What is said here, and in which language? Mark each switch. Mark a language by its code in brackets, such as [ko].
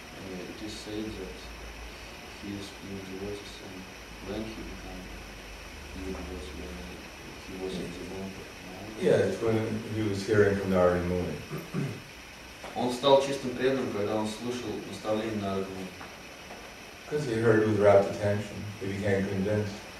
[en] It is said that he is being devoted, and when he became a devotee, when he was a devotee. Yeah, it's when he was hearing from Narada Muni. [ru] Он стал чистым преданным, когда он слышал наставление Нарады Муни. [en] Because he heard with rapt attention, he became convinced.